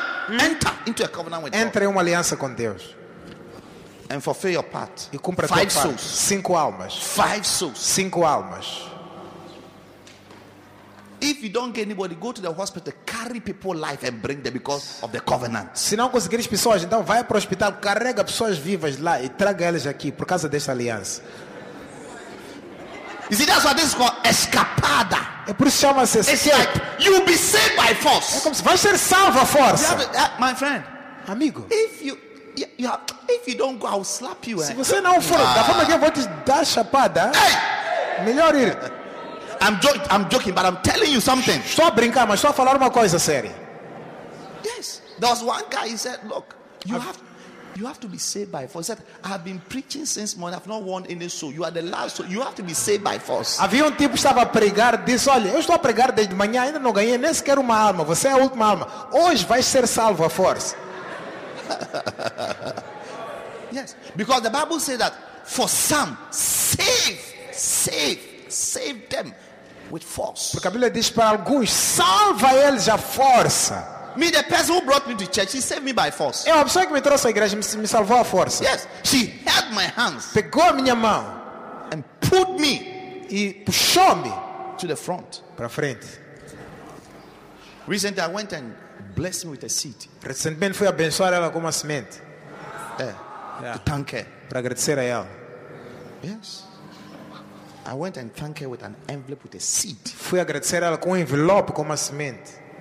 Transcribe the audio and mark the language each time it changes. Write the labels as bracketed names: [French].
[English] Enter into a covenant with [Portuguese] Entre [English] God. [Portuguese] Entre uma aliança com Deus. [English] And fulfill your part. [Portuguese] E cumpra [English] five [Portuguese] a tua parte. [English] Souls. [Portuguese] Cinco almas. [English] Five souls. [Portuguese] Cinco almas. [English] If you don't get anybody, go to the hospital, carry people life and bring them because of the covenant. [Portuguese] Se não conseguires pessoas, então vai para o hospital, carrega pessoas vivas lá e traga elas aqui por causa desta aliança. [English] You see, that's what this is called, escapada. [Portuguese] É por isso que chama-se escape. [English] It's like you'll be saved by force. [Portuguese] É como se vai ser salvo à força. [English] My friend. [Portuguese] Amigo. [English] If you don't go, I'll slap you. [Portuguese] Se você não for, da forma que eu vou te dar chapada, [English] hey! [Portuguese] Melhor ir. [English] I'm joking, but I'm telling you something. [Portuguese] Estou a brincar, mas estou a falar uma coisa séria. [English] Yes, there was one guy. He said, "Look, you have to be saved by force." He said, "I've been preaching since morning. I've not won any soul. You are the last soul. You have to be saved by force." [Portuguese] Havia tipo que estava a pregar, disse, olha, eu estou a pregar desde manhã, ainda não ganhei nem sequer uma alma. Você é a última alma. Hoje vais ser salvo à força. [English] Yes, because the Bible says that for some save them with force. [Portuguese] Porque a Bíblia diz para alguns salva eles à força. [English] Me, the person who brought me to church, she saved me by force. [Portuguese] É a pessoa que me trouxe à igreja, me salvou à força. [English] Yes, she held my hands, [Portuguese] pegou a minha mão, [English] and put me, [Portuguese] e puxou-me [English] to the front, [Portuguese] para frente. [English] Recently, I went and blessed me with a seed. [Portuguese] Recentemente fui abençoar ela com uma semente. [English] To thank her. [Portuguese] Para agradecer a ela. [English] Yes. I went and thanked her with an envelope with a seed. [Portuguese] Fui agradecer ela com um envelope com uma semente.